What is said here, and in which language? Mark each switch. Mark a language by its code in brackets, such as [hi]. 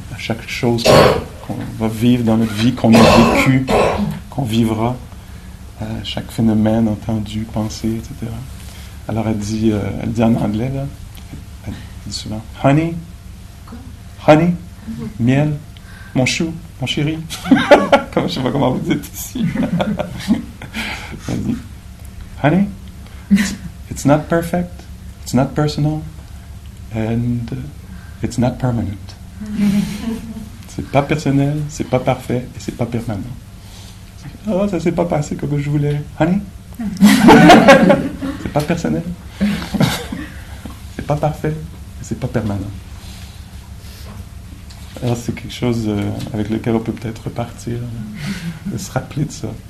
[fr] À chaque chose qu'on va vivre dans notre vie, qu'on a vécu, qu'on vivra, chaque phénomène entendu, pensé, etc. Alors, elle dit en anglais, là, elle dit souvent honey, honey, miel, mon chou. Mon chéri, je ne sais pas comment vous dites ici. Vas-y. [en] Honey, it's not perfect, it's not personal, and it's not permanent. [fr] C'est pas personnel, c'est pas parfait, et c'est pas permanent. Oh, ça s'est pas passé comme je voulais. Honey, c'est pas personnel, c'est pas parfait, et c'est pas permanent. Alors, c'est quelque chose avec lequel on peut peut-être repartir, de se rappeler de ça.